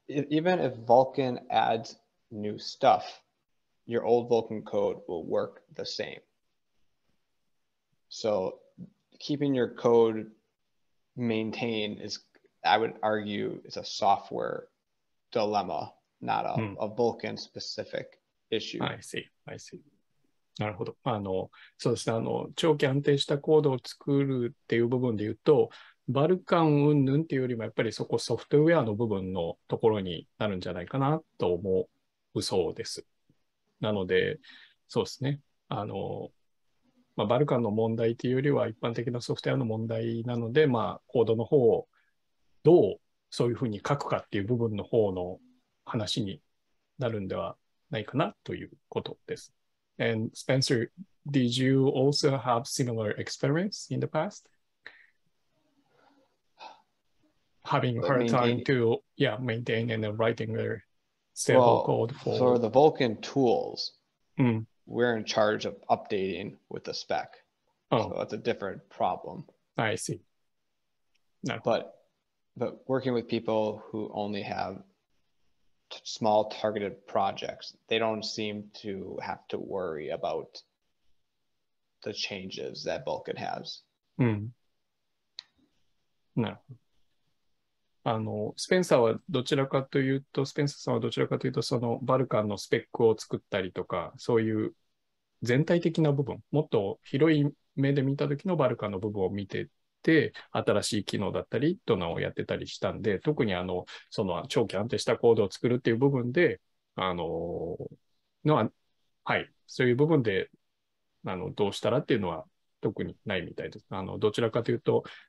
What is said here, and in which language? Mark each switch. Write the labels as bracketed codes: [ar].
[en] Even if Vulkan adds new stuff, your old Vulkan code will work the same. So keeping your code maintained is, I would argue, is a software dilemma, not a Vulkan specific issue. I see. [ja] なるほど。そうですね。長期安定したコードを作るっていう部分で言うと、バルカン云々っていうよりも、やっぱりそこソフトウェアの部分のところになるんじゃないかなと思うそうです。なので、そうですね。バルカンの問題というよりは、一般的なソフトウェアの問題なので、まあ、コードの方をどうそういうふうに書くかっていう部分の方の話になるんではないかなということです。 [en] And Spencer, did you also have similar experience in the past? Having hard time to maintain and writing their stable code for the Vulkan tools. we're in charge of updating with the spec. Oh. So that's a different problem. I see. No. But working with people who only have small targeted projects, they don't seem to have to worry about the changes that Vulkan has. [ja] Mm. なるほど。あの、スペンサーはどちらかというと、スペンサーさんはどちらかというと、そのバルカンのスペックを作ったりとか、そういう全体的な部分、もっと広い目で見た時のバルカンの部分を見てて、新しい機能だったり、どのをやってたりしたんで、特にあの、その長期安定したコードを作るっていう部分で、のは、はい、そういう部分で、あの、どうしたらっていうのは、特にないみたいです。あのどちらかというと